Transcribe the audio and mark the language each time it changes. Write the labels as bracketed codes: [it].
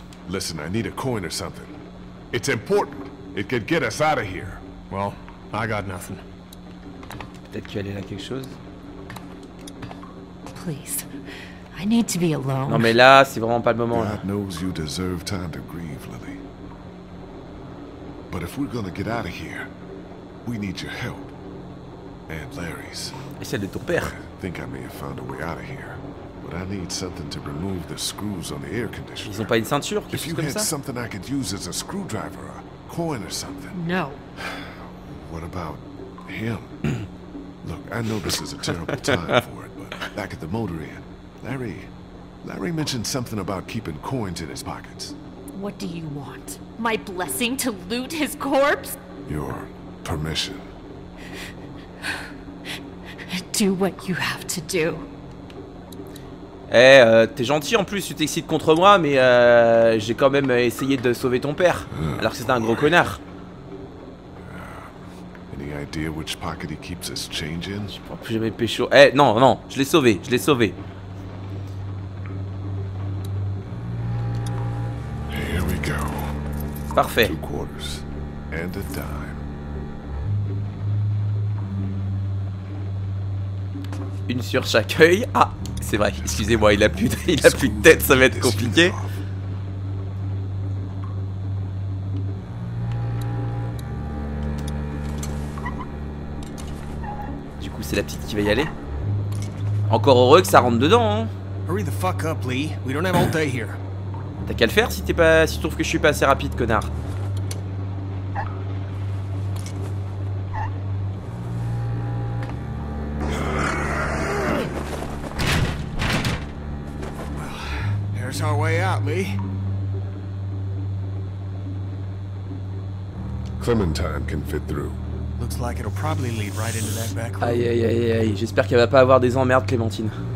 [en] Listen, I need a coin or something. It's important. It could get us out of here. Well, I got nothing. [fr] Peut-être qu'il y a quelque chose. [en] Please, I need to be alone. [fr] Non mais là, c'est vraiment pas le moment. [en] God knows you deserve time to grieve, Lily. But if we're gonna get out of here, we need your help. And Larry's. [fr] Et celle de ton père. [en] I think I may have found a way out of here, but I need something to remove the screws on the air conditioner. [fr] Ils ont pas une ceinture, [en] if you [fr] comme [en] had [fr] ça? [en] Something I could use as a screwdriver, a coin or something. No. What about him? Look, I know this is a terrible time for it, but back at the motor inn, Larry mentioned something about keeping coins in his pockets. What do you want? My blessing to loot his corpse? Your permission. Do what you have to do. [fr] Eh, t'es gentil en plus, tu t'excites contre moi, mais j'ai quand même essayé de sauver ton père, alors que c'était un gros connard. [en] Any idea which pocket he keeps his change in? [fr] Je pourrais plus jamais pécho. Eh, non, je l'ai sauvé, je l'ai sauvé. [en] Here we go. [fr] Parfait. [en] Two quarters and a dime. [fr] Une sur chaque œil. Ah, c'est vrai, excusez-moi, il a plus de tête, ça va être compliqué. Ah, c'est la petite qui va y aller. Encore heureux que ça rentre dedans, hein. [en] Hurry the fuck up, Lee. We don't have all day here. [fr] T'as qu'à le faire si t'es pas, si tu trouves que je suis pas assez rapide, connard. [en] Well, here's our way out, Lee. Clementine can fit through. Looks like it'll probably lead right into that back room. [fr] Aïe, aïe, aïe, aïe. J'espère qu'elle va pas avoir des emmerdes, Clémentine.